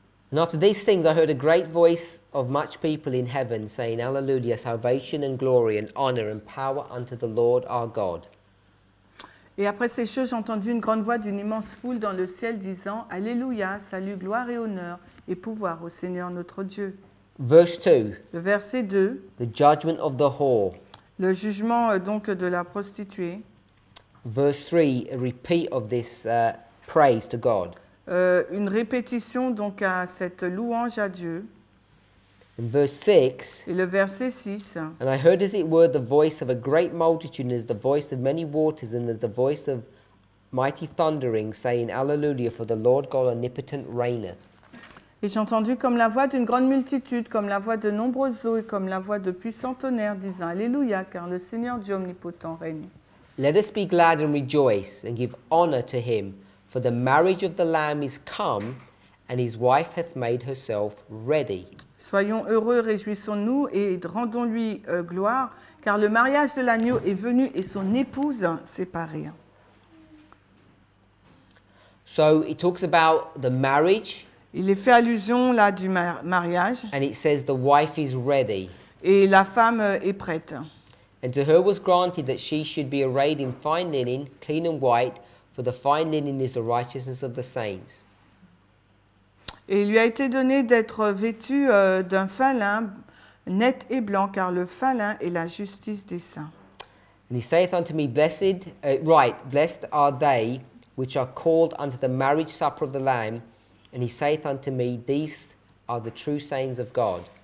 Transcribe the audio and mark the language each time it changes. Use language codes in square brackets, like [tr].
[en] And after these things, I heard a great voice of much people in heaven saying, Alleluia, salvation and glory and honor and power unto the Lord our God. [fr] Et après ces choses, j'ai entendu une grande voix d'une immense foule dans le ciel disant, Alleluia, salut, gloire et honneur et pouvoir au Seigneur notre Dieu. [en] Verse 2. [fr] Le verset 2. [en] The judgment of the whore. [fr] Le jugement donc de la prostituée. [en] Verse 3, a repeat of this praise to God. [fr] Une répétition donc à cette louange à Dieu. [en] In verse 6, and I heard as it were the voice of a great multitude, and as the voice of many waters, and as the voice of mighty thundering, saying, Alleluia, for the Lord God omnipotent reigneth. [fr] Et j'ai entendu comme la voix d'une grande multitude, comme la voix de nombreuses eaux, et comme la voix de puissants tonnerres, disant, Alleluia, car le Seigneur Dieu omnipotent règne. [en] Let us be glad and rejoice, and give honor to him, for the marriage of the Lamb is come, and his wife hath made herself ready. [fr] Soyons heureux, réjouissons-nous et rendons-lui gloire, car le mariage de l'agneau est venu et son épouse s'est parée. [en] So it talks about the marriage. [fr] Il est fait allusion là du mariage. [en] And it says the wife is ready. [fr] Et la femme est prête. [en] And to her was granted that she should be arrayed in fine linen, clean and white, for the fine linen is the righteousness of the saints. [fr] Et lui a été donné d'être vêtu d'un fin lin net et blanc, car le fin lin est la justice des saints. [en] And he saith unto me, blessed are they which are called unto the marriage supper of the Lamb. And he saith unto me, these are the true saints of God.